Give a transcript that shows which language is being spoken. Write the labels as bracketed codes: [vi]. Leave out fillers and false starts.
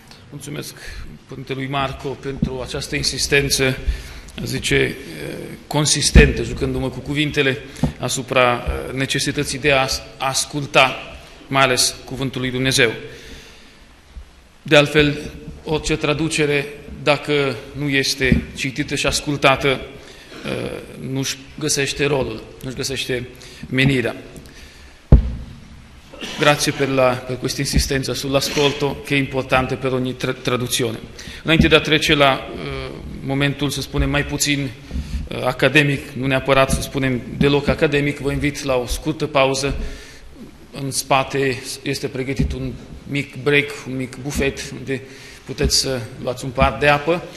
[ro] Mulțumesc Părintelui Marco pentru această insistență, zice, consistentă, jucându-mă cu cuvintele, asupra necesității de a asculta, mai ales cuvântul lui Dumnezeu. De altfel, orice traducere, dacă nu este citită și ascultată, nu-și găsește rolul, nu-și găsește menirea. [it] Grazie per questa insistenza sull'ascolto, che è importante per ogni traduzione. [ro] Înainte de a trece la momentul, să spunem, mai puțin academic, nu neapărat să spunem deloc academic, vă invit la o scurtă pauză. În spate este pregătit un mic break, un mic bufet, unde puteți să luați un pahar de apă.